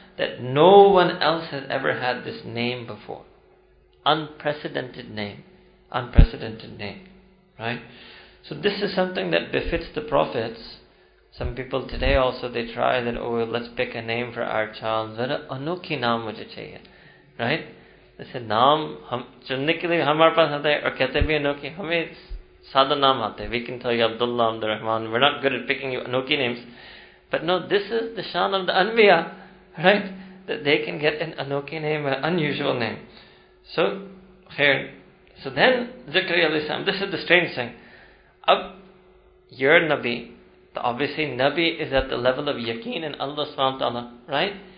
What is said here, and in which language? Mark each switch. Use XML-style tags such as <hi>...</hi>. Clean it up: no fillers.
<en>That no one else has ever had this name before. Unprecedented name. Unprecedented name. Right? So this is something that befits the prophets. Some people today also, they try that, oh, let's pick a name for our child.</en> <ur>ذرا انوکھی نام مجھے چاہیے۔</ur> <en>Right? They said,</en> <ur>نام، چننے کے لیے ہمارے پاس آتے ہے، اور کہتے بھی انوکھی، ہمیں سادہ نام آتے ہے۔</ur> <en>We can tell you Abdullah, Abdurrahman, we're not good at picking you انوکھی names. But no, this is the shan of the anbiya, right? That they can get an anokhi name, an unusual name. So, khair. So then, Zakariya alayhi salam, this is the strange thing. Ab, you're Nabi. Obviously, Nabi is at the level of yaqeen in Allah subhanahu wa ta'ala, right?</en>